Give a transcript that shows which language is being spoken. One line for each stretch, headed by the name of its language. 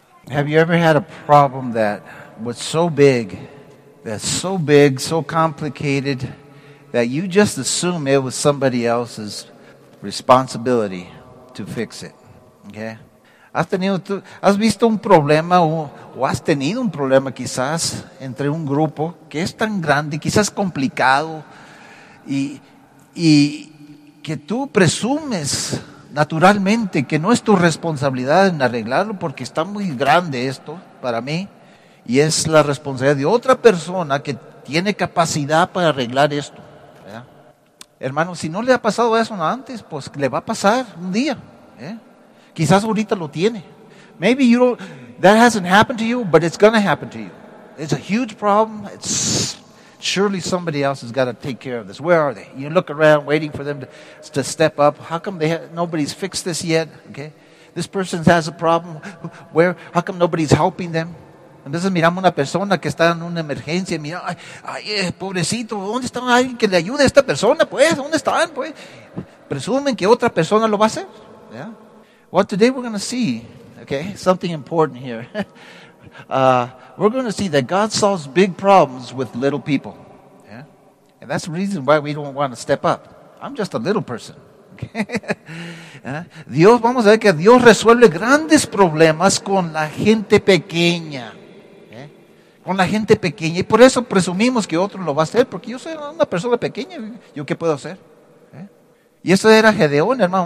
English: Have you ever had a problem that was so big, so complicated, that you just assume it was somebody else's responsibility to fix it? Okay?
Spanish: Has visto un problema o has tenido un problema quizás entre un grupo que es tan grande, quizás complicado, y que tú presumes naturalmente que no es tu responsabilidad en arreglarlo porque está muy grande esto para mí y es la responsabilidad de otra persona que tiene capacidad para arreglar esto, ¿verdad? Hermano, si no le ha pasado eso antes, pues le va a pasar un día, ¿eh? Quizás ahorita lo tiene.
English: Maybe you don't, that hasn't happened to you, but it's going to happen to you. It's a huge problem. It's surely somebody else has got to take care of this. Where are they? You look around waiting for them to step up. How come nobody's fixed this yet? Okay. This person has a problem. How come nobody's helping them?
Spanish: Entonces miramos una persona que está en una emergencia. Mira, ay, pobrecito, ¿dónde está alguien que le ayude a esta persona? Pues, ¿dónde están? Pues, presumen que otra persona lo va a hacer.
English: Yeah. Well, today we're going to see, okay, something important here. We're going to see that God solves big problems with little people. Yeah? And that's the reason why we don't want to step up. I'm just a little person. Okay? Yeah?
Spanish: Dios, vamos a ver que Dios resuelve grandes problemas con la gente pequeña. Yeah? Con la gente pequeña. Y por eso presumimos que otro lo va a hacer, porque yo soy una persona pequeña. ¿Yo qué puedo hacer? Y eso era Gedeón, hermano.